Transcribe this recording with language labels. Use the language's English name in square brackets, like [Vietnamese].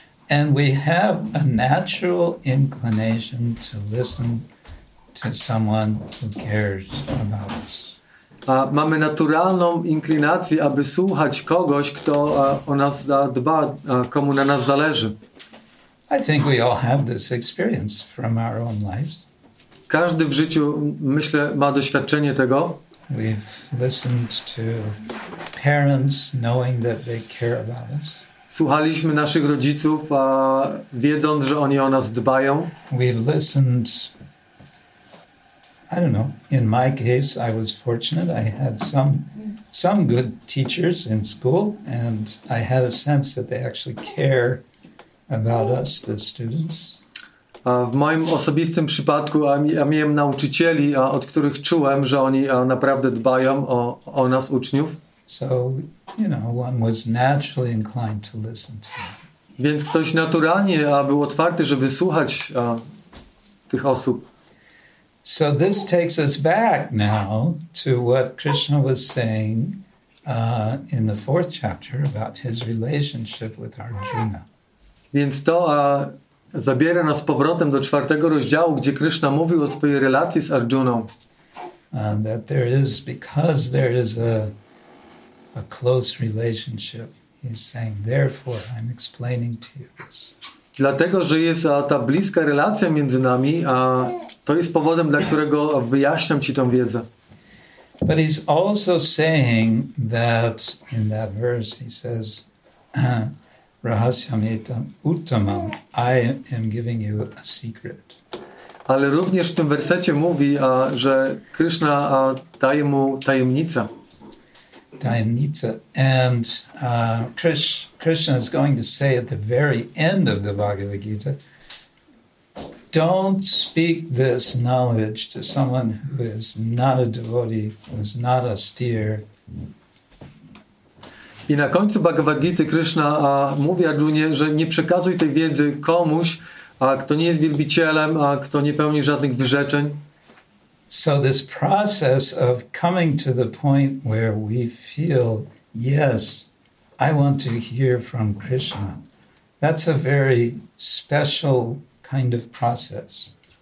[English] And we have a natural inclination to listen to someone who cares about us. [Polish] A mamy naturalną inklinację, aby słuchać kogoś, kto o nas dba, komu na nas zależy. [English] I think we all have this experience from our own lives. [Polish] Każdy w życiu, myślę, ma doświadczenie tego. [English] We've listened to parents knowing that they care about us. [Polish] Słuchaliśmy naszych rodziców, a wiedząc, że oni o nas dbają. [English] We've listened, I don't know, in my case I was fortunate, I had some good teachers in school and I had a sense that they actually care about us, the students. [Polish] A w moim osobistym przypadku ja miałem nauczycieli, od których czułem, że oni naprawdę dbają o nas, uczniów. [English] So, you know, one was naturally inclined to listen to him. [Polish] Więc ktoś naturalnie był otwarty, żeby słuchać tych osób. [English] So this takes us back now to what Krishna was saying in the fourth chapter about his relationship with Arjuna. [Polish] Więc to zabiera nas powrotem do czwartego rozdziału, gdzie Krishna mówił o swojej relacji z Arjuną. [English] That there is, because there is a close relationship, he's saying, therefore I'm explaining to you this. [Polish] Dlatego, że jest ta bliska relacja między nami, a to jest powodem, dla którego wyjaśniam ci tą wiedzę. [English] But he's also saying that in that verse he says, [Sanskrit] rahasyamitam uttamam, [English] I am giving you a secret. [Polish] Ale również w tym wersecie mówi, że Krishna daje mu tajemnicę. Tajemnica. [English] And Krishna is going to say at the very end of the Bhagavad Gita, don't speak this knowledge to someone who is not a devotee, who is not austere. [Polish] I na końcu Bhagavad Gita Krishna mówi Arjunie, że nie przekazuj tej wiedzy komuś, kto nie jest wielbicielem, a kto nie pełni żadnych wyrzeczeń. [English] So this process of coming to the point where we feel, yes, I want to hear from Krishna, that's a very special kind of process.